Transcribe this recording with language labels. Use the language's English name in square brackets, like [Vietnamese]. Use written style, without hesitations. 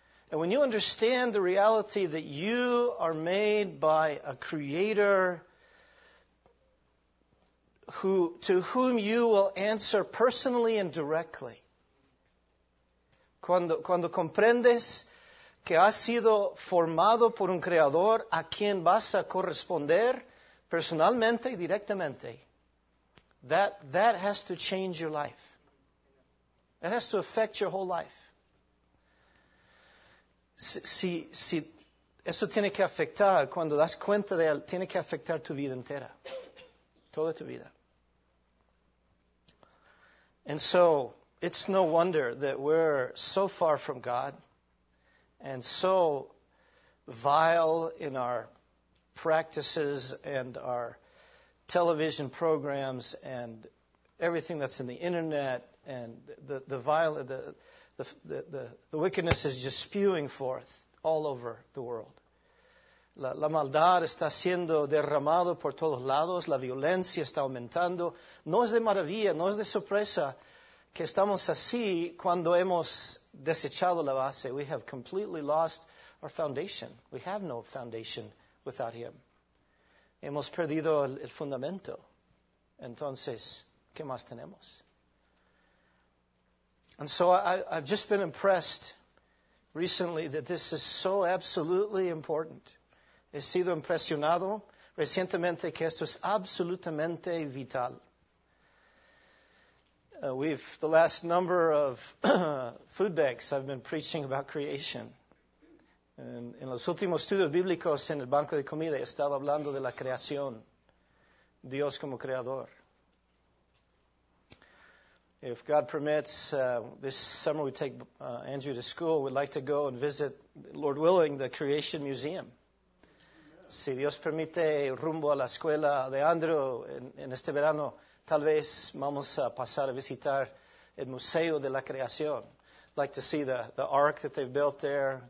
[English] And when you understand the reality that you are made by a creator to whom you will answer personally and directly. [Spanish] Cuando comprendes que has sido formado por un creador a quien vas a corresponder personalmente y directamente. [English] That has to change your life. It has to affect your whole life. [Spanish] Si eso tiene que afectar, cuando das cuenta de él, tiene que afectar tu vida entera. Toda tu vida. [English] And so, it's no wonder that we're so far from God and so vile in our practices and our television programs and everything that's in the internet and the wickedness is just spewing forth all over the world. [Spanish] La maldad está siendo derramado por todos lados, la violencia está aumentando. No es de maravilla, no es de sorpresa que estamos así cuando hemos desechado la base. [English] We have completely lost our foundation. We have no foundation without him. [Spanish] Hemos perdido el fundamento. Entonces, ¿qué más tenemos? [English] And so I've just been impressed recently that this is so absolutely important. [Spanish] He sido impresionado recientemente que esto es absolutamente vital. [English] The last number of food banks, I've been preaching about creation. [Spanish] En los últimos estudios bíblicos en el banco de comida he estado hablando de la creación, Dios como creador. [English] If God permits, this summer we take Andrew to school, we'd like to go and visit, Lord willing, the Creation Museum. [Spanish] Si Dios permite, rumbo a la escuela de Andrew en este verano, tal vez vamos a pasar a visitar el Museo de la Creación. [English] Like to see the ark that they've built there.